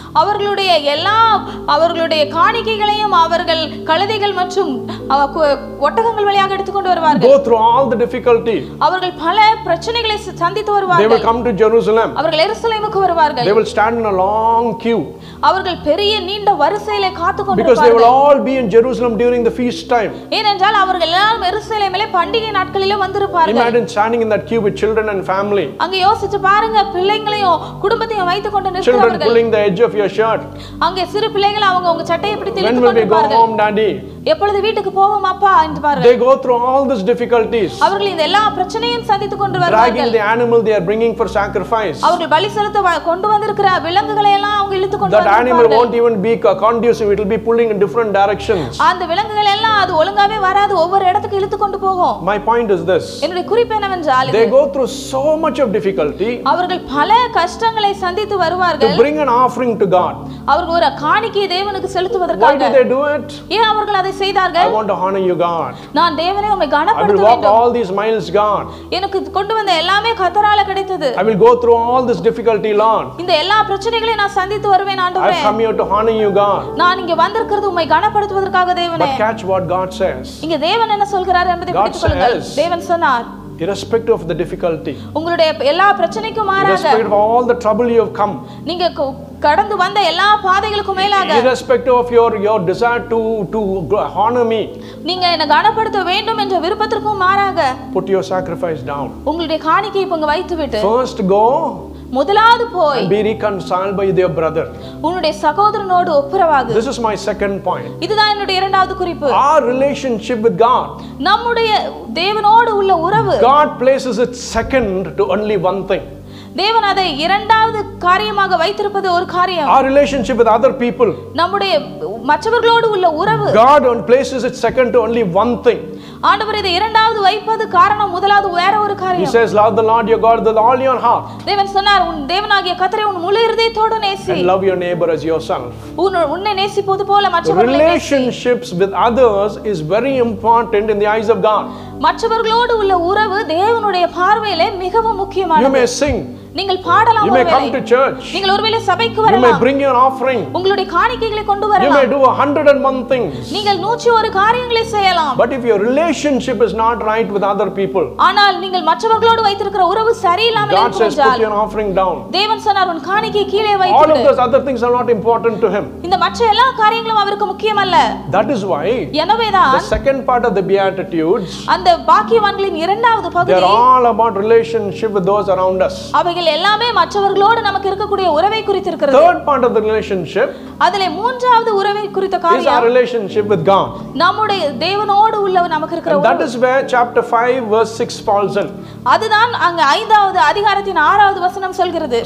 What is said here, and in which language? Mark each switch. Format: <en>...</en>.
<ta>அவர்களுடைய எல்லா அவர்களுடைய காணிக்கைகளையும் அவர்கள் கழுதைகள் மற்றும் ஒட்டகங்கள் வழியாக எடுத்துக்கொண்டு வருவார்கள்.</ta> <en>Go through all the difficulty.</en> <ta>அவர்கள் பல பிரச்சனைகளை சந்தித்து வருவார்கள்.</ta> <en>They will come to Jerusalem.</en> <ta>அவர்கள் எருசலேமுக்கு வருவார்கள்.</ta> <en>They will stand in a long queue.</en> <ta>அவர்கள் பெரிய நீண்ட வரிசையிலே காத்து கொண்டிருப்பார்கள்.</ta> <en>Because they will all be in Jerusalem during the feast time.</en> <ta>ஏனென்றால் அவர்கள் எல்லாரும் எருசலேமிலே பண்டிகை நாட்களிலே வந்திருப்பார்கள்.</ta> <en>Imagine standing in that queue with children and family.</en> <ta>அங்க யோசிச்சு பாருங்க பிள்ளைகளையும் குடும்பத்தையும் வைத்துக்கொண்டு நிற்கிறவர்கள்.</ta> <en>Children pulling the edge of your shirt.</en> <ta>அங்க சிறு பிள்ளைகள் அவங்க உங்க சட்டையை பிடித்து இழுத்துக்கொண்டிருப்பார்கள்.</ta> <en>When will we go home, daddy?</en> <ta>எப்பொழுது வீட்டுக்கு போவோம் அப்பா என்று பாருங்கள்.</ta> <en>They go through all these difficulties.</en> <ta>அவர்கள் இந்த எல்லா பிரச்சனையும் சந்தித்துக் கொண்டு வருவார்கள்.</ta> <en>Dragging the animal they are bringing for sacrifice.</en> <ta>அவர்கள் பலி செலுத்த கொண்டு வந்திருக்கிற விலங்குகளை எல்லாம் அவங்க இழுத்து கொண்டு வருவார்கள்.</ta> <en>That animal won't even be conducive, it will be pulling in different directions.</en> <ta>அந்த விலங்குகள் எல்லாம் அது ஒழுங்காவே வராது, ஒவ்வொரு இடத்துக்கு இழுத்து கொண்டு போகும்.</ta> <en>My point is this.</en> <ta>என்னுடைய குறிப்பு என்னவென்றால்</ta> <en>They go through so much of difficulty.</en> <ta>அவர்கள் பல கஷ்டங்களை சந்தித்து வருவார்கள்.</ta> <en>To bring an offering to God.</en> <ta>அவர்கள் ஒரு காணிக்கையை தேவனுக்கு செலுத்துவதற்காக.</ta> <en>Why do they do it?</en> <ta>ஏன் அவர்கள் செய்தார்கள்.</ta> <en>I want to honor you, God.</en> <ta>நான் தேவனே உம்மை கனப்படுத்த வேண்டும்.</ta> <en>All these miles gone.</en> <ta>எனக்கு கொண்டு வந்த எல்லாமே கர்த்தரால கிடைத்தது.</ta> <en>I will go through all this difficulty, Lord.</en> <ta>இந்த எல்லா பிரச்சனைகளையும் நான் சந்தித்து வருவேன் ஆண்டவரே.</ta> <en>I come here to honor you, God.</en> <ta>நான் இங்கே வந்திருக்கிறது உம்மை கனப்படுத்துவதற்காக தேவனே.</ta> <en>But catch what God says.</en> <ta>இங்கே தேவன் என்ன சொல்கிறார் என்பதை புரிந்துகொள்ளுங்கள். தேவன் சொன்னார்</ta> <en>irrespective of the difficulty.</en> <ta>உங்களுடைய எல்லா பிரச்சனைக்கும் மாறாக</ta> <en>irrespective of all the trouble you have come.</en> <ta>நீங்க கடந்து வந்த எல்லா பாதைகளுக்கும் மேலாக</ta> <en>irrespective of your desire to honor me.</en> <ta>நீங்க என்ன கனப்படுத்த வேண்டும் என்ற விருப்பத்திற்கும் மாறாக</ta> <en>put your sacrifice down.</en> <ta>உங்களுடைய காணிக்கையை இங்க வைத்துவிட்டு</ta> <en>first go</en> <ta>முதலாவது போய்</ta> <en>be reconciled by your brother.</en> <ta>உன்னுடைய சகோதரனோடு ஒப்புரவாகு.</ta> <en>This is my second point.</en> <ta>இதுதான் என்னுடைய இரண்டாவது குறிப்பு.</ta> <en>Our relationship with God.</en> <ta>நம்முடைய தேவனோடு உள்ள உறவு.</ta> <en>God places it second to only one thing.</en> <ta>தேவன் அதை இரண்டாவது காரியமாக வைத்திருப்பது ஒரு காரியம்.</ta> <en>Our relationship with other people.</en> <ta>நம்முடைய மற்றவர்களோடு உள்ள உறவு.</ta> <en>God only places it second to only one thing.</en> <ta>ஆண்டவர் இதை இரண்டாவது வைப்பது காரணம் முதலாவது வேற ஒரு காரியம்.</ta> <en>He says love the Lord your God with all your heart.</en> <ta>தேவன் சொன்னார் உன் தேவனாகிய கர்த்தரை உன் முழு இருதயத்தோடு நேசி.</ta> <en>And love your neighbor as yourself.</en> <ta>உன்னை நேசிப்பது போல மற்றவர்களை நேசி.</ta> <en>Relationships with others is very important in the eyes of God.</en> <ta>மற்றவர்களோடு உள்ள உறவு தேவனுடைய பார்வையிலே மிகவும் முக்கியமானது.</ta> <en>You may sing.</en> <ta>நீங்கள் பாடலாம்.</ta> <en>You may come to church.</en> <ta>நீங்கள் ஒருவேளை சபைக்கு வரலாம்.</ta> <en>You may bring your offering.</en> <ta>உங்களுடைய காணிக்கைகளை கொண்டு வரலாம்.</ta> <en>You may do 101 things.</en> <ta>நீங்கள் 101 காரியங்களை செய்யலாம்.</ta> <en>But if your relationship is not right with other people.</en> <ta>ஆனால் நீங்கள் மற்றவர்களோடு வைத்திருக்கிற உறவு சரியில்லாம இருந்தால்</ta> <en>God says put your offering down.</en> <ta>தேவன் சொன்னார் உன் காணிக்கையை கீழே வைத்து.</ta> <en>All of those other things are not important to him.</en> <ta>இந்த மற்ற எல்லா காரியங்களும் அவருக்கு முக்கியமல்ல.</ta> <en>That is why.</en> <ta>எனவேதான்</ta> <en>the second part of the beatitudes.</en> <ta>அந்த பாக்கியவான்களின் இரண்டாவது பகுதி.</ta> <en>They are all about relationship with those around us.</en> <ta>எல்லாமே மற்றவர்களோடு நமக்கு இருக்கக்கூடிய உறவை குறித்திருக்கிறது.</ta> <en>Third part of the relationship.</en> <ta>அதிலே மூன்றாவது உறவை குறித்த காரியம்.</ta> <en>Is our relationship with God.</en> <ta>நம்முடைய தேவனோடு உள்ள நமக்கு இருக்கிற உறவு.</ta> <en>That is where chapter 5 verse 6 falls in.</en> <ta>அதுதான் அங்க ஐந்தாவது அதிகாரத்தின் ஆறாவது வசனம் சொல்கிறது.</ta>